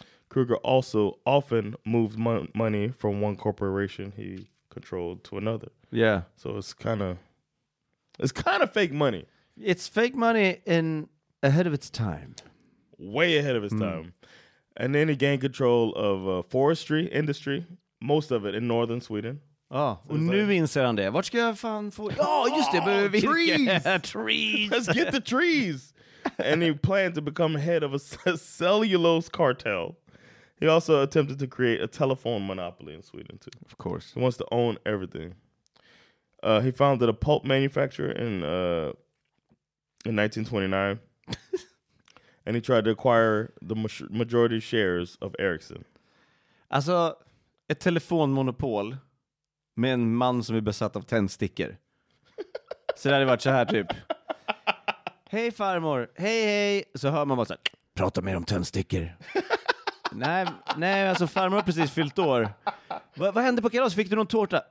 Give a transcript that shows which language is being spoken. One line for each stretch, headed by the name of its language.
English: Kreuger also often moved money from one corporation he controlled to another. Yeah. So it's kind of fake money. It's fake money in ahead of its time. Way ahead of its time. And then he gained control of forestry industry, most of it in northern Sweden.
Swedish: Oh, och nu inser han det. Vart ska jag fan få? Oh, just det, behöver vi
English: trees. Let's get the trees. And he planned to become head of a cellulose cartel. He also attempted to create a telephone monopoly in Sweden, too. Of course. He wants to own everything. He founded a pulp manufacturer in 1929. and he tried to acquire the majority shares of Ericsson.
Swedish: Alltså, ett telefonmonopol med en man som är besatt av tändstickor. Så det hade varit så här typ. Hej farmor, hej hej. Så hör man bara så här, prata mer om tändstickor. Nej, alltså farmor har precis fyllt år. Vad hände på kalas? Fick du någon tårta?